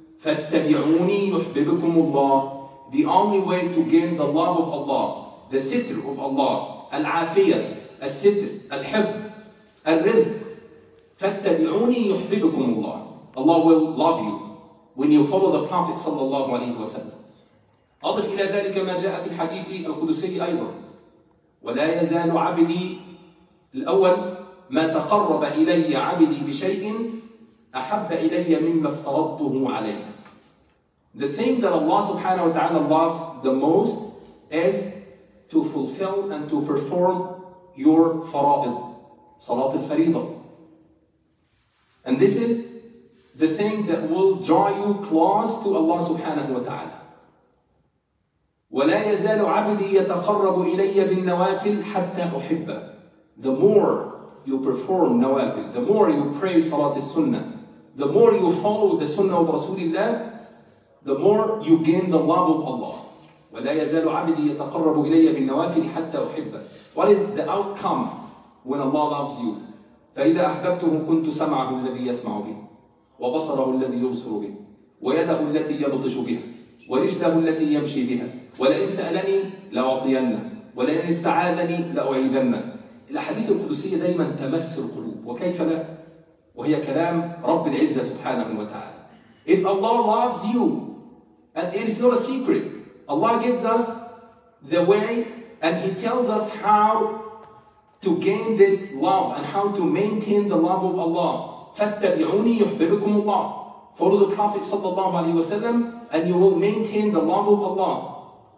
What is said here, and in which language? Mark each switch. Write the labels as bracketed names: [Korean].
[Arabic] فَاتَّبِعُونِي يُحْبِبُكُمُ اللَّهِ. [English] The only way to gain the love of Allah, the sitr of Allah, al-afiyah, al-sitr, al-hifz, al-rizq, [Arabic] فَاتَّبِعُونِي يُحْبِبُكُمُ اللَّهِ. [English] Allah will love you when you follow the Prophet [Arabic] صلى الله عليه وسلم. أضف إلى ذلك ما جاء في الحديث القدسي أيضا. ولا يزال عبدي الأول ما تقرب إلي عبدي بشيء أحب إلي مما افترضته عليه. [English] The thing that Allah [Arabic] سبحانه وتعالى [English] loves the most is to fulfill and to perform your فرائض. [Arabic] صلاة الفريضة. [English] And this is the thing that will draw you close to Allah subhanahu wa ta'ala. [Arabic] وَلَا يَزَالُ عَبْدِي يَتَقَرَّبُ إِلَيَّ بِالنَّوَافِلْ حَتَّى أُحِبَّهُ. [English] The more you perform nawafil, the more you pray salat al-sunnah, the more you follow the sunnah of Rasulullah, the more you gain the love of Allah. [Arabic] وَلَا يَزَالُ عَبْدِي يَتَقَرَّبُ إِلَيَّ بِالنَّوَافِلْ حَتَّى أُحِبَّهُ. [English] What is the outcome when Allah loves you? [Arabic] فَإِذَا أَحْبَبْتُهُ كُنْتُ سَمْعَهُ الَّذِي يَسْمَعُ بِهِ وبصره الذي يبصر به ويده التي يبطش بها ورجله التي يمشي بها ولئن سألني لأعطينه ولئن استعاذني لأعيذنه. الأحاديث القدسية دائما تمس القلوب وكيف لا وهي كلام رب العزة سبحانه وتعالى. [English] If Allah loves you and it is not a secret, Allah gives us the way and He tells us how to gain this love and how to maintain the love of Allah. [Arabic] فَاتَّبِعُونِي يُحْبِبُكُمُ اللَّهِ. [English] Follow the Prophet [Arabic] صلى الله عليه وسلم [English] and you will maintain the love of Allah.